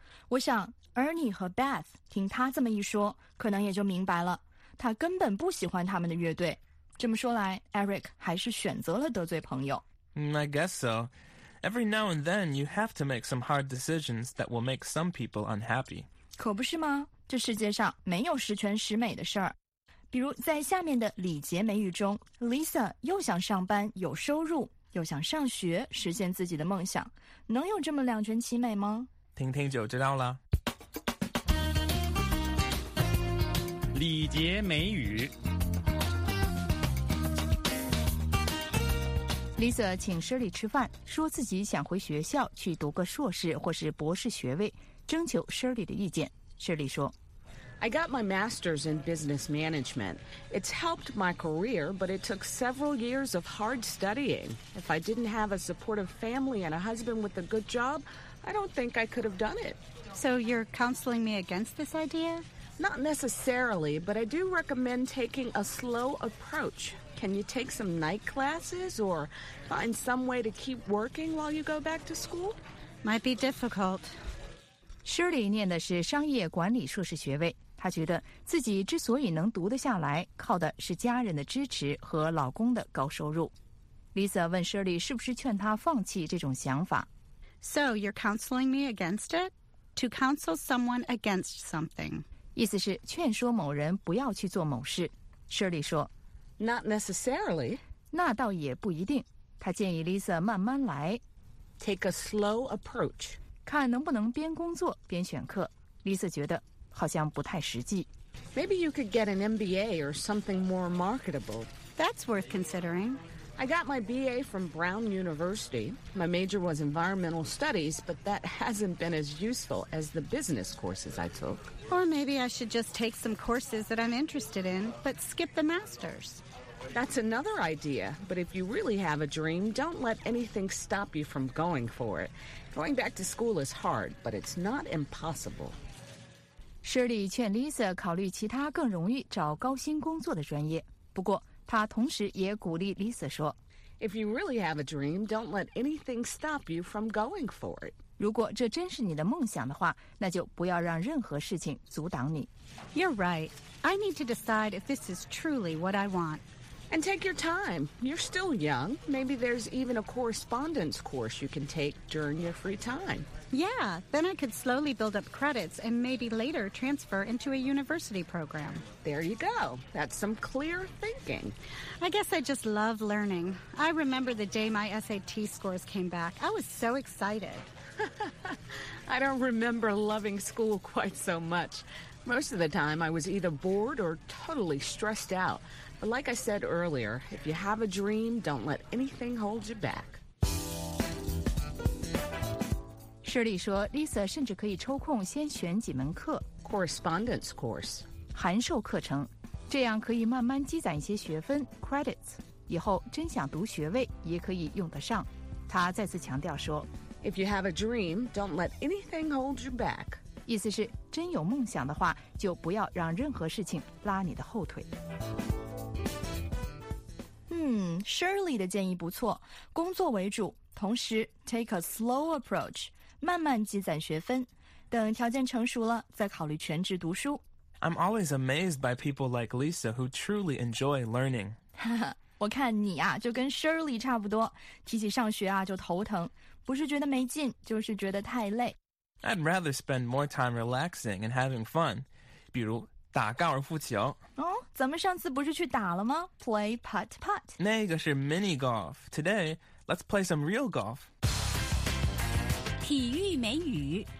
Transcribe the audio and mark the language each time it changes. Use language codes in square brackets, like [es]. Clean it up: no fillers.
[zh] 我想 Ernie 和 Beth 听他这么一说，可能也就明白了，他根本不喜欢他们的乐队。这么说来 ，Eric 还是选择了得罪朋友。 [en] I guess so. Every now and then, you have to make some hard decisions that will make some people unhappy. [zh] 可不是吗？这世界上没有十全十美的事儿。比如在下面的礼节美语中 ，Lisa 又想上班有收入，又想上学实现自己的梦想，能有这么两全其美吗？听听就知道了。礼节美语。 Lisa 请 Shirley 吃饭，说自己想回学校去读个硕士或是博士学位，征求 Shirley 的意见。Shirley 说 [en] ：“I got my master's in business management. It's helped my career, but it took several years of hard studying. If I didn't have a supportive family and a husband with a good job, I don't think I could have done it. So you're counseling me against this idea? Not necessarily, but I do recommend taking a slow approach.” Can you take some night classes or find some way to keep working while you go back to school? Might be difficult. [zh] Shirley 念的是商业管理硕士学位，她觉得自己之所以能读得下来，靠的是家人的支持和老公的高收入。 Lisa 问 Shirley 是不是劝她放弃这种想法。 [en] So you're counseling me against it? To counsel someone against something. [zh] 意思是劝说某人不要去做某事。 Shirley 说 [en] Not necessarily. [zh] 那倒也不一定。他建议 Lisa 慢慢来。 [en] Take a slow approach. [zh] 看能不能边工作边选课。 Lisa 觉得好像不太实际。 [en] Maybe you could get an MBA or something more marketable. That's worth considering. I got my BA from Brown University. My major was environmental studies, but that hasn't been as useful as the business courses I took. Or maybe I should just take some courses that I'm interested in, but skip the master's. That's another idea, but if you really have a dream, don't let anything stop you from going for it. Going back to school is hard, but it's not impossible. [zh] Shirley 劝 Lisa 考虑其他更容易找高薪工作的专业。不过，她同时也鼓励 Lisa 说 [en] If you really have a dream, don't let anything stop you from going for it. [zh] 如果这真是你的梦想的话，那就不要让任何事情阻挡你。 [en] You're right. I need to decide if this is truly what I want. And take your time. You're still young. Maybe there's even a correspondence course you can take during your free time. Yeah, then I could slowly build up credits and maybe later transfer into a university program. There you go. That's some clear thinking. I guess I just love learning. I remember the day my SAT scores came back. I was so excited. I don't remember loving school quite so much. Most of the time, I was either bored or totally stressed out. Like I said earlier, if you have a dream, don't let anything hold you back. [zh] Shirley 说 ，Lisa 甚至可以抽空先选几门课 [en] ，correspondence course， [zh] 函授课程，这样可以慢慢积攒一些学分 credits， 以后真想读学位也可以用得上。他再次强调说 [en] ，If you have a dream, don't let anything hold you back. [zh] 意思是，真有梦想的话，就不要让任何事情拉你的后腿。 Shirley 的建议不错，工作为主，同时 [en] take a slow approach， [zh] 慢慢积攒学分，等条件成熟了再考虑全职读书。 [en] I'm always amazed by people like Lisa who truly enjoy learning. [zh] 我看你啊，就跟 Shirley 差不多，提起上学啊就头疼，不是觉得没劲，就是觉得太累。 [en] I'd rather spend more time relaxing and having fun， [zh] 比如打高尔夫球。哦，咱们上次不是去打了吗 ？ [en] Play putt putt。 [zh] 那个是 [en] mini golf。Today, let's play some real golf. [zh] 体育美语。